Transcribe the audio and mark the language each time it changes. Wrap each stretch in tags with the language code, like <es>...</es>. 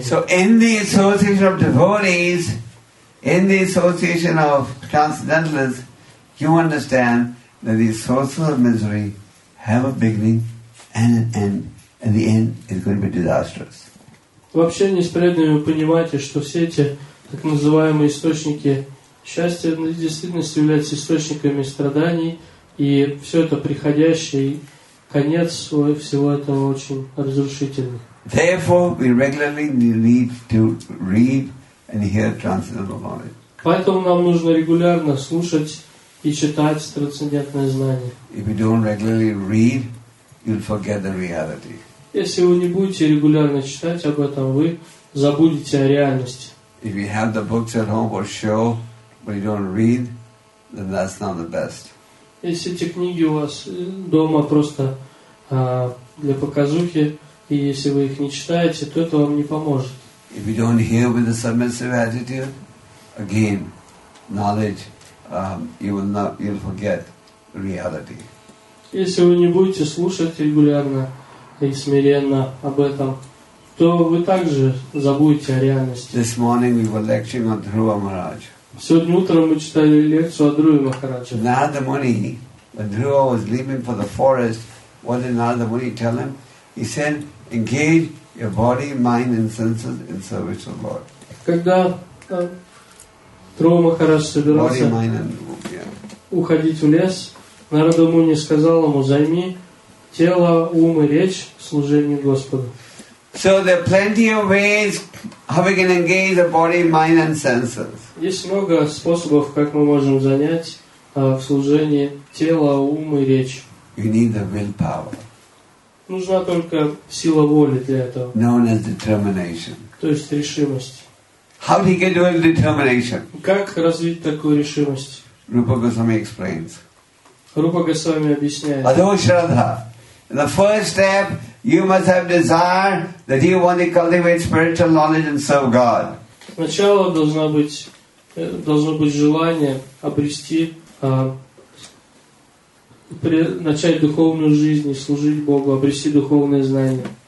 <en>So in the association of devotees, in the association of transcendentalists, you understand that the sources of misery have a beginning and an end, and the end is going to be disastrous.</en> <ru>В общении с преданными вы понимаете, что все эти так называемые источники счастья в действительности являются источниками страданий, и все это приходящее, и конец всего этого очень разрушительный.</ru> <en>Therefore, we regularly need to read and hear transcendental knowledge.</en> <ru>Поэтому нам нужно регулярно слушать и читать трансцендентное знание.</ru> <en>If you don't regularly read, you'll forget the reality.</en> <ru>Если вы не будете регулярно читать об этом, вы забудете о реальности.</ru> <en>If you have the books at home or show, but you don't read, then that's not the best.</en> <ru>Если эти книги у вас дома просто для показухи, и если вы их не читаете, то это вам не поможет.</ru> <en>If you don't hear with a submissive attitude, again, knowledge, you'll forget reality.</en> <ru>Если вы не будете слушать регулярно и смиренно об этом, то вы также забудете о реальности.</ru> <en>This morning we were lecturing on Dhruva Maharaj.</en> <ru>Сегодня утром мы читали лекцию о Дхруве Махарадже.</ru> <en>Narada Muni, when Dhruva was leaving for the forest, what did Narada Muni tell him? He said, engage your body, mind and senses in service of the Lord.</en> <ru>Когда Дхрува Махарадж собирался уходить в лес, Нарада Муни сказал ему, займи тело, ум и речь в служении Господу.</ru> <en>So there are plenty of ways how we can engage the body, mind and senses.</en> <ru>Есть много способов, как мы можем занять в служении тела, ума и речи.</ru> <en>You need the willpower.</en> <ru>Нужна только сила воли для этого.</ru> <en>Known as determination.</en> <ru>То есть решимость.</ru> <en>How do you get your determination?</en> <ru>Как развить такую решимость?</ru> <en>Rupa Goswami explains.</en> <ru>Rupa Goswami объясняет.</ru> <sa>Adho Shraddha.</sa> <en>The first step, you must have desire that you want to cultivate spiritual knowledge and serve God.</en> <ru>Сначала должно быть желание обрести, начать духовную жизнь и служить Богу, обрести духовное знание.</ru>